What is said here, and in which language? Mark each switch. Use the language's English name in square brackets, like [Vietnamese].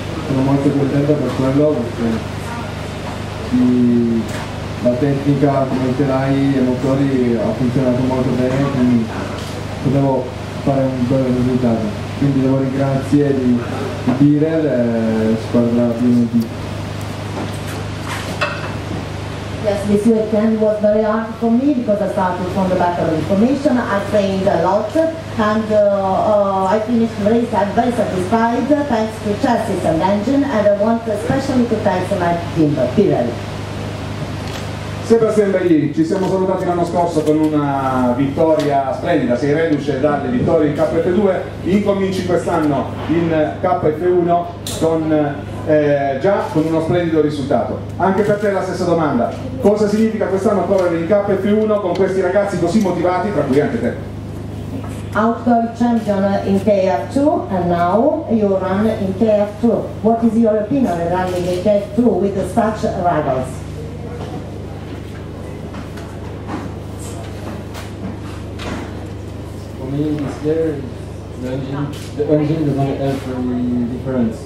[Italian] Sono molto contento per quello, perché la tecnica come telai e motori ha funzionato molto bene, quindi potevo fare un bel risultato. Quindi devo ringraziare di dire la squadra di MT. [English] Yes, this weekend was very hard for me because I started from the back of the formation. I trained a lot and I finished the race. I'm very satisfied thanks to chassis and engine, and I want especially to thank my team, Pirelli. [Italian] Sebastian Bailly, ci siamo salutati l'anno scorso con una vittoria splendida, sei reduce dalle vittorie in KF2, incominci quest'anno in KF1 con uno splendido risultato. Anche per te la stessa domanda, cosa significa quest'anno correre in KF1 con questi ragazzi così motivati, tra cui anche te? [English] Outdoor champion in KF2 and now you run in KF2. What is your opinion running in KF2 with such rivals? For me, this year, the engine doesn't have any difference.